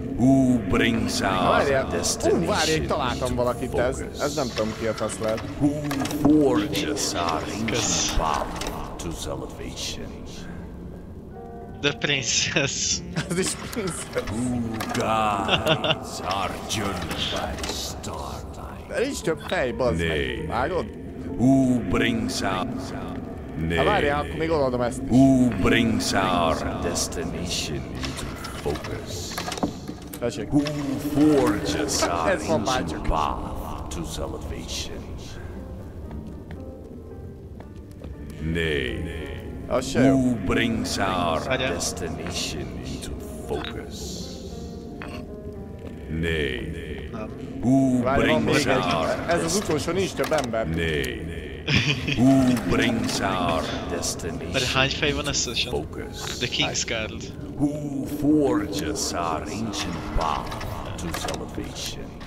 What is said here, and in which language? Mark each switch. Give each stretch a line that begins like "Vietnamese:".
English: Who brings our destination?
Hungarian: Várj, én találtam valakit, ez nem tudom ki a taszlát.
English: Who forges our ancient path to salvation? The princess.
Hungarian: Az is princess.
English: Who guides our journey by starlight?
Hungarian: Ez is több fej, bazd meg. Vágod?
English: Who brings our...
Hungarian: Várjál, akkor még odaadom ezt.
English: Who brings our destination into focus?
Hungarian: Tessék.
English: Who forges our ancient path to salvation? Nay. Who brings our destination into focus? Nay. Who brings our destination into focus?
Hungarian: Ez az utolsó, nincs több ember.
English: Nay. Who brings our destiny?
Hungarian: De hány fej van összesen?
English: The Kingsguard. Who forges our ancient path to salvation?